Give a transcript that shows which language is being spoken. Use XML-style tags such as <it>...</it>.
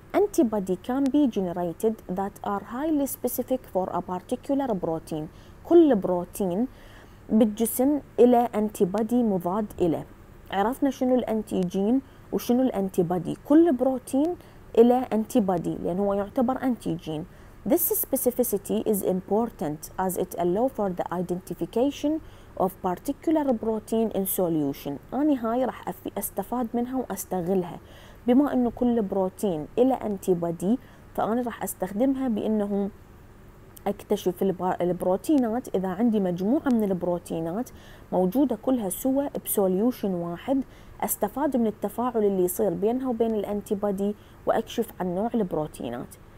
<en>Antibody can be generated that are highly specific for a particular protein.</en> <ar>كل بروتين بالجسم إلى أنتيبادي مضاد إله. عرفنا شنو الأنتيجين وشنو الأنتيبادي. كل بروتين إلى أنتيبادي لأنه هو يعتبر أنتيجين.</ar> <en>This specificity is important as it allows for the identification of particular protein in solution.</en> <ar>أنا هاي راح أستفاد منها وأستغلها، بما أنه كل بروتين إلى أنتيبادي فأنا راح أستخدمها بأنه أكتشف البروتينات إذا عندي مجموعة من البروتينات موجودة كلها سوى بسوليوشن واحد، أستفاد من التفاعل اللي يصير بينها وبين الأنتيبادي وأكشف عن نوع البروتينات.</ar>